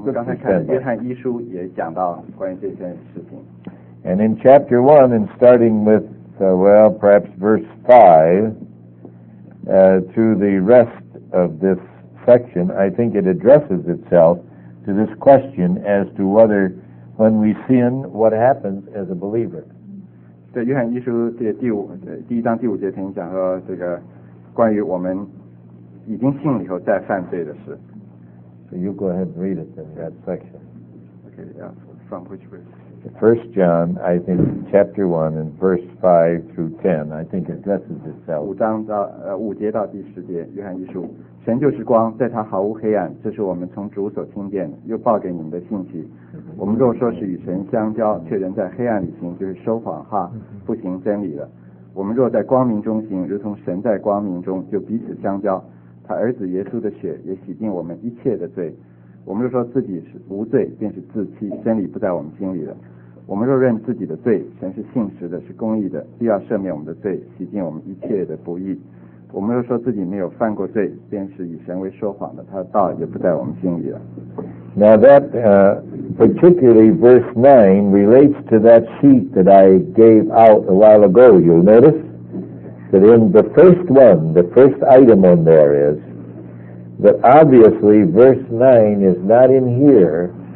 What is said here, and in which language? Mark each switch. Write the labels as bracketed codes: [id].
[zh] 我们刚才看约翰一书也讲到关于这件事情。 [en] And in chapter 1, and starting with, perhaps verse 5, to the rest of this,section, I think it addresses itself to this question as to whether when we sin, what happens as a believer. [zh] 在约翰一书第一章第五节曾经讲说这个关于我们已经信了以后再犯罪的事。 [en] So you go ahead and read it in that section. Okay, yeah, from which verse? The first John, I think, chapter 1 and verse 5 through 10, I think addresses itself. [zh] 五节到第十节，约翰一书。神就是光，在他毫无黑暗，这是我们从主所听见又报给你们的信息。我们若说是与神相交，却仍在黑暗里行，就是说谎话，不行真理了。我们若在光明中行，如同神在光明中，就彼此相交。他儿子耶稣的血也洗净我们一切的罪。我们若说自己是无罪，便是自欺，真理不在我们心里了。我们若认自己的罪，神是信实的，是公义的，必要赦免我们的罪，洗净我们一切的不义。我们又说自己没有犯过罪，便是以神为说谎的，他的道也不在我们心里了。 [en] Now that particularly verse 9 relates to that sheet that I gave out a while ago. You'll notice that in the first one, the first item on there is that obviously verse 9 is not in here.